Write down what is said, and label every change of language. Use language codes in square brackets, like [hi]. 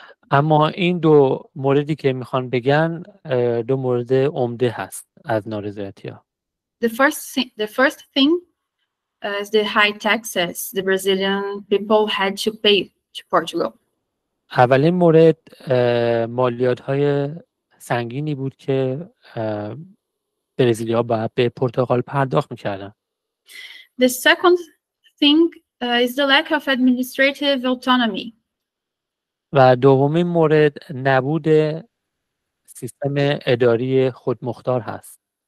[fa] اما این دو موردی که میخوان بگن دو مورد عمده هست از نارضایتی ها. [en] The first thing is the high taxes the Brazilian people had to pay to Portugal. [fa] اولین مورد مالیات های سنگینی بود که برزیلیا باید به پرتغال پرداخت میکردن. [en] The second thing is the lack of administrative autonomy. [fa] و دومین مورد نبود سیستم اداری خودمختار هست.